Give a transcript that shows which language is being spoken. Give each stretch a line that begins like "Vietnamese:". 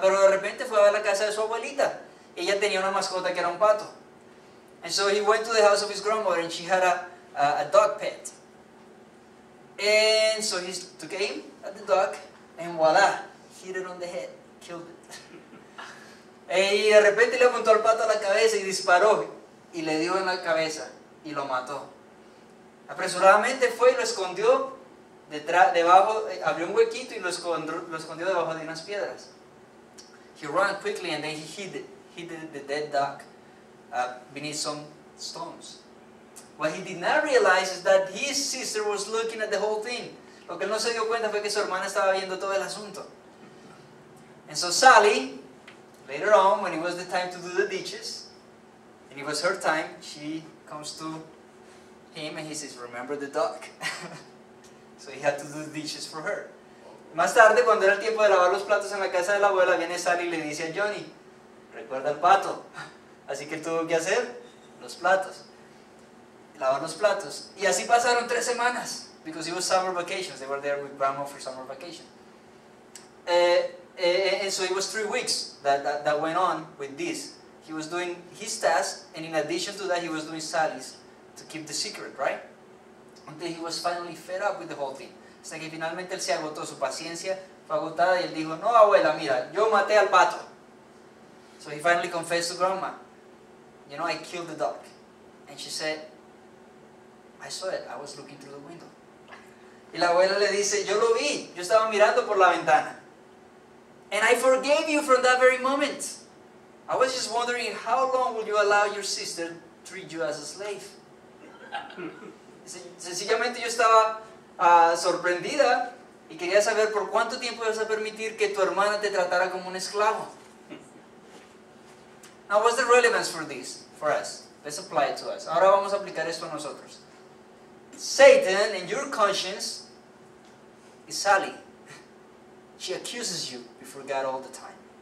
Spanish: Pero de repente fue a la casa de su abuelita. Ella tenía una mascota que era un pato.
English: And so he went to the house of his grandmother and she had a dog pet. And so he took aim at the dog and voila, hit it on the head, killed it.
Spanish: Y de repente le apuntó al pato a la cabeza y disparó y le dio en la cabeza y lo mató. Apresuradamente fue y lo escondió debajo, abrió un huequito y lo escondió debajo de unas piedras.
English: He ran quickly and then he hid the dead dog beneath some stones. What he did not realize is that his sister was looking at the whole thing.
Spanish: Lo que él no se dio cuenta fue que su hermana estaba viendo todo el asunto.
English: And so Sally, later on, when it was the time to do the dishes, and it was her time, she comes to him and he says, "Remember the dog." So he had to do the dishes for her.
Spanish: Más tarde, cuando era el tiempo de lavar los platos en la casa de la abuela, viene Sally y le dice a Johnny, "Recuerda el pato." Así que él tuvo que hacer los platos. Lavar los platos. Y así pasaron 3 semanas.
English: Because it was summer vacations. They were there with grandma for summer vacation. And so it was 3 weeks that went on with this. He was doing his task. And in addition to that, he was doing Sally's to keep the secret, right? Until he was finally fed up with the whole thing.
Spanish: Hasta que finalmente él se agotó. Su paciencia fue agotada. Y él dijo, "No, abuela, mira, yo maté al pato."
English: So he finally confessed to grandma, "You know, I killed the dog." And she said, "I saw it. I was looking through the window."
Spanish: Y la abuela le dice, "Yo lo vi. Yo estaba mirando por la ventana."
English: "And I forgave you from that very moment. I was just wondering how long will you allow your sister to treat you as a slave."
Spanish: Sencillamente yo estaba sorprendida y quería saber por cuánto tiempo ibas a permitir que tu hermana te tratara como un esclavo.
English: Now, what's the relevance for this, for us? Let's apply it to us.
Spanish: Ahora vamos a aplicar esto a nosotros.
English: Satan, in your conscience, is Sally. She accuses you before God all the time.